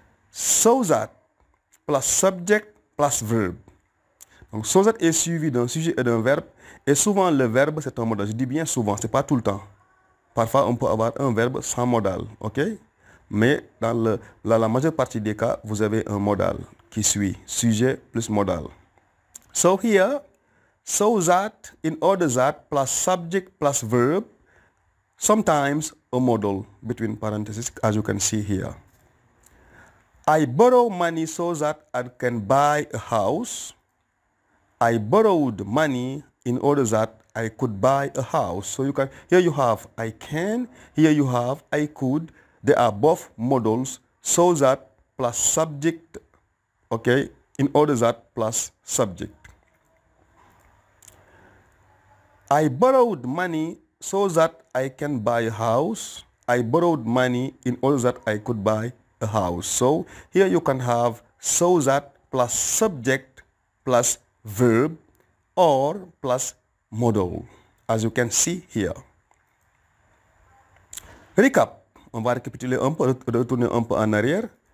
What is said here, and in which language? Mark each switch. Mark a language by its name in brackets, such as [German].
[English] So that plus subject plus verb. [French] Donc, so that est suivi d'un sujet et d'un verbe. Et souvent, le verbe, c'est un modal. Je dis bien souvent, c'est pas tout le temps. Parfois, on peut avoir un verbe sans modal. OK? Mais dans la majeure partie des cas, vous avez un modal qui suit. Sujet plus modal. [English] So here, so that, in order that, plus subject, plus verb, sometimes a modal, between parentheses, as you can see here. I borrow money so that I can buy a house. I borrowed money in order that I could buy a house. So you can, here you have I can, here you have I could. They are both modals, so that plus subject, okay, in order that plus subject. I borrowed money so that I can buy a house. I borrowed money in order that I could buy a house. So here you can have so that plus subject plus verb or plus modal, as you can see here. Recap. [French] On va récapituler un peu, retourner un peu en arrière.